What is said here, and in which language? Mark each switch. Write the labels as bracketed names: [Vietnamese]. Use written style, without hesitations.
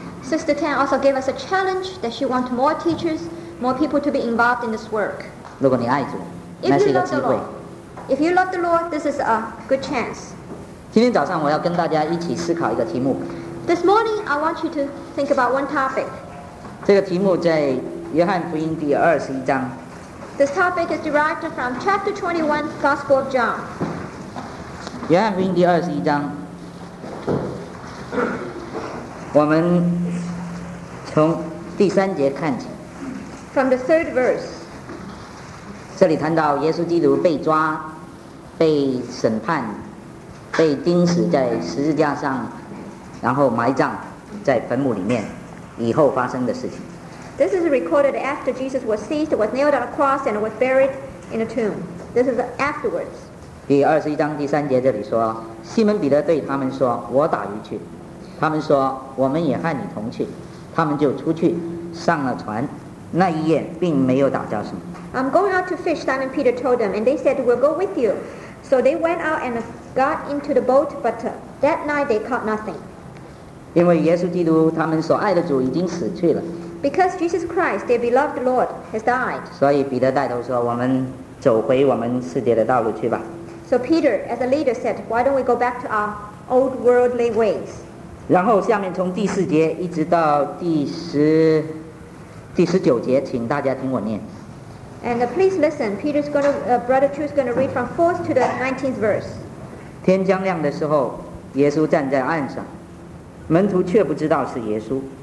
[English] Sister Tan also gave us a challenge that she wants more teachers, more people to be involved in this work. [Chinese] 如果你爱主，那是一个机会。 [English] If you love the Lord, this is a good chance. [Chinese] 今天早上我要跟大家一起思考一个题目。 [English] This morning, I want you to think about one topic. [Chinese] 这个题目在约翰福音第二十一章。 [English] This topic is derived from chapter 21, Gospel of John. [Chinese] 约翰福音第二十一章。我们从第三节看起。 [English] From the third verse. [Chinese] 这里谈到耶稣基督被抓、被审判、被钉死在十字架上，然后埋葬在坟墓里面，以后发生的事情。 [English] This is recorded after Jesus was seized, was nailed on a cross, and was buried in a tomb. This is afterwards. [Chinese] 第二十一章第三节这里说，西门彼得对他们说：“我打鱼去。” 他们说：“我们也和你同去。” 他们就出去上了船，那一夜并没有打着什么。 [English] I'm going out to fish, Simon Peter told them, and they said, "We'll go with you." So they went out and got into the boat, but that night they caught nothing. [Chinese] 因为耶稣基督他们所爱的主已经死去了。 [English] Because Jesus Christ, their beloved Lord, has died. [Chinese] 所以彼得带头说：“我们走回我们世界的道路去吧。” [English] So Peter, as a leader, said, "Why don't we go back to our old worldly ways?" [Chinese] 然后下面从第四节一直到第十九节，请大家听我念。 [English] And please listen. Peter's going to, Brother Chu is going to read from 4th to the 19th verse. [Chinese] 天将亮的时候，耶稣站在岸上，门徒却不知道是耶稣。